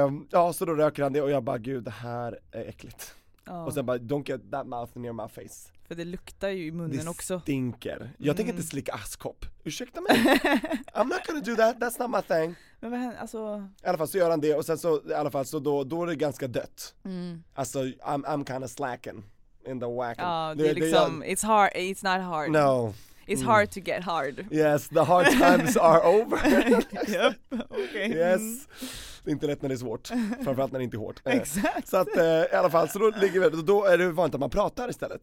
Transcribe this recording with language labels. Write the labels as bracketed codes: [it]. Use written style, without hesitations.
[sv] Ja, så då röker han det och jag bara, gud, det här är äckligt. Oh. Och sen bara, [en] don't get that mouth near my face. [sv] För det luktar ju i munnen också. Det stinker. Också. Jag tänker inte slicka askkopp. Ursäkta mig. [en] I'm not gonna do that, that's not my thing. [sv] Men vad händer, alltså... I alla fall så gör han det och sen så, i alla fall så då är det ganska dött. Mm. [en] Alltså, I'm kind of slacking in the whack. Ja, oh, [sv] det är liksom, [en] it's hard, it's not hard. No. It's hard to get hard. Yes, the hard times are over. Yep, okay. Yes. [sv] Det är inte lätt när det är svårt. Framförallt när det inte är hårt. Exakt. Så att i alla fall, så då ligger vi, då är det vanligt att man pratar istället.